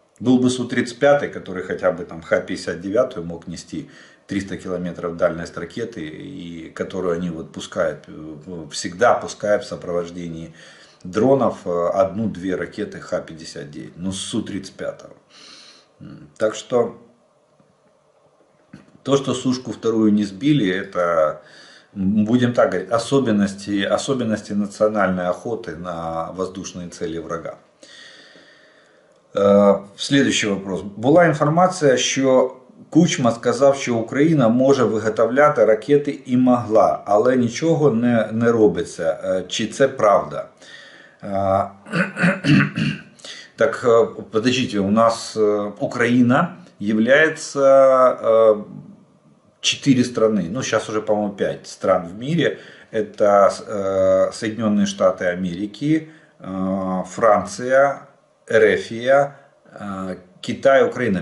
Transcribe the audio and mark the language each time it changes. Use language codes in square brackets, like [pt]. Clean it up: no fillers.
[ru] Был бы Су-35, который хотя бы там Х-59 мог нести 300 километров дальность ракеты, и которую они вот пускают, всегда пускают в сопровождении дронов, одну-две ракеты Х-59, ну, Су-35. Так что то, что сушку вторую не сбили, это, будем так говорить, особенности национальной охоты на воздушные цели врага. Следующий вопрос. Была информация, что Кучма [uk] сказав, що Україна може виготовляти ракети і могла, але нічого не робиться. Чи це правда? [ru] Так, подождите, у нас Украина является 4 страны, ну сейчас уже, по-моему, 5 стран в мире. Это Соединенные Штаты Америки, Франция, РФИА, Китай, Украина.